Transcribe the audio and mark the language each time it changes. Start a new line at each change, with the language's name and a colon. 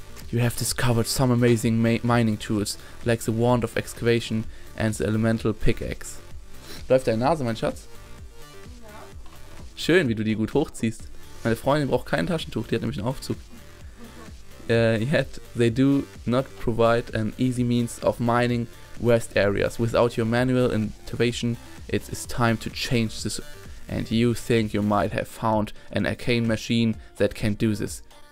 English: You have discovered some amazing mining tools, like the wand of excavation and the elemental pickaxe.
German: Läuft deine Nase, mein Schatz? Ja. Schön, wie du die gut hochziehst. Meine Freundin braucht kein Taschentuch, die hat nämlich einen Aufzug.
English: Yet they do not provide an easy means of mining waste areas. Without your manual intervention, it is time to change this. And you think you might have found an arcane machine that can do this.